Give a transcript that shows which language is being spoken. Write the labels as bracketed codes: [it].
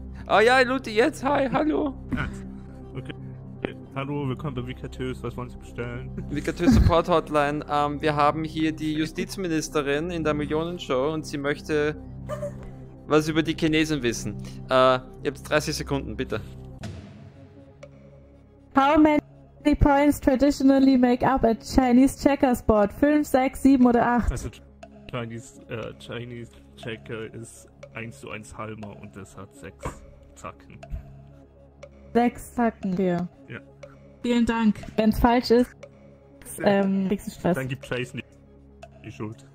[de] Ah ja, Luti, jetzt, hi, hallo. Okay. Hallo, willkommen bei Vicatös, was wollen Sie bestellen? Vicatös Support Hotline, wir haben hier die Justizministerin in der Millionenshow und sie möchte was über die Chinesen wissen. Ihr habt 30 Sekunden, bitte. [en] How many points traditionally make up a Chinese checkers board? [de] 5, 6, 7 oder 8? Chinese Checker ist 1 zu 1 Halmer und das hat 6 Zacken. 6 Zacken, ja. Ja. Vielen Dank. Wenn es falsch ist, kriegst du Stress. Dann gibt Chase nicht die Schuld.